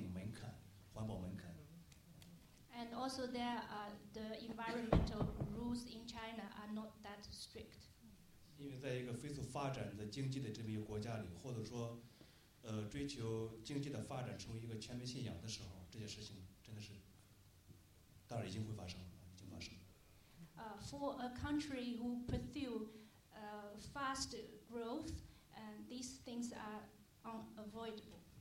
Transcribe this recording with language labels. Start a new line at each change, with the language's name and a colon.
Chinese: 其次呢，中国可能有比另外的国家相对低的环境门槛，环保门槛。And
English: also, there are the environmental rules in China are not that strict.
Chinese: 因为在一个飞速发展的经济的这么一个国家里，或者说 追求经济的发展成为一个全民信仰的时候，这些事情真的是，当然已经会发生了，已经发生了。For
English: a country who pursue fast growth, and these things are unavoidable.